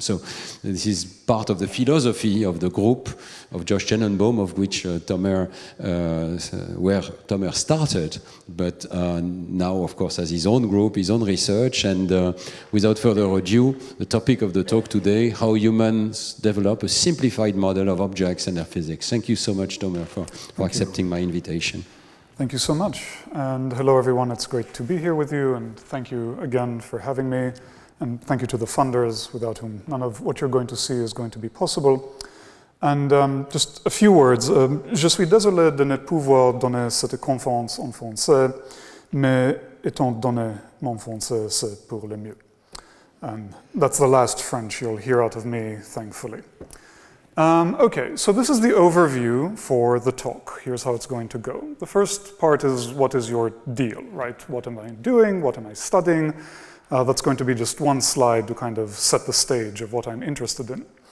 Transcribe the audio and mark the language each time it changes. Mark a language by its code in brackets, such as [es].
[en] So this is part of the philosophy of the group of Josh Tenenbaum, of which Tomer started, but now, of course, has his own group, his own research, and without further ado, the topic of the talk today, how humans develop a simplified model of objects and their physics. Thank you so much, Tomer, for accepting my invitation. Thank you so much. And hello, everyone. It's great to be here with you. And thank you again for having me. And thank you to the funders, without whom none of what you're going to see is going to be possible. And just a few words. [fr] Je suis désolé de ne pouvoir donner cette conférence en français, mais étant donné mon français, c'est pour le mieux. [en] That's the last French you'll hear out of me, thankfully. Okay, so this is the overview for the talk. Here's how it's going to go. The first part is, what is your deal, right? What am I doing? What am I studying? That's going to be just one slide to kind of set the stage of what I'm interested in.